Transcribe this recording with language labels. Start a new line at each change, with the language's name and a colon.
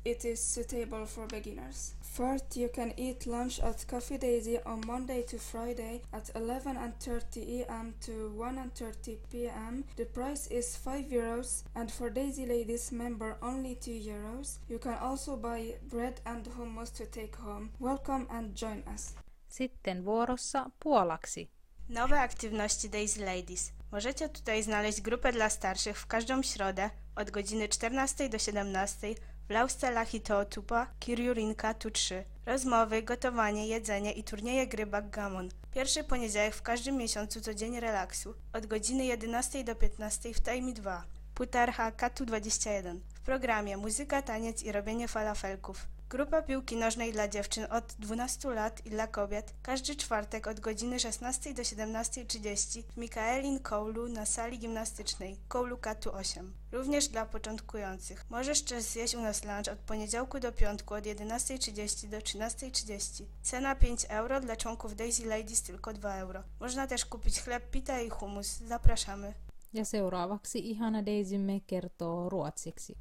English: It is suitable for beginners. First, you can eat lunch at Cafe Daisy on Monday to Friday at 11:30 a.m. to 1:30 p.m. The price is 5 euros and for Daisy Ladies member only 2 euros. You can also buy bread and hummus to take home. Welcome and join us.
Finnish: Sitten vuorossa puolaksi.
Polish: Nowe aktywności Daisy Ladies. Możecie tutaj znaleźć grupę dla starszych w każdą środę od godziny 14 do 17 w Lauste Lähiötupa, Kirjurinka tu 3. Rozmowy, gotowanie, jedzenie i turnieje gry backgammon. Pierwszy poniedziałek w każdym miesiącu to dzień relaksu od godziny 11 do 15 w Taimi 2, Puutarhakatu 21. W programie muzyka, taniec i robienie falafelków. Grupa piłki nożnej dla dziewczyn od 12 lat i dla kobiet każdy czwartek od godziny 16 do 17.30 w Mikaelin Koulu na sali gimnastycznej Koulukatu 8. Również dla początkujących. Możesz też zjeść u nas lunch od poniedziałku do piątku od 11.30 do 13.30. Cena 5 euro, dla członków Daisy Ladies tylko 2 euro. Można też kupić chleb, pita i hummus. Zapraszamy.
Finnish: Ja seuraavaksi ihana Daisymme kertoo ruotsiksi.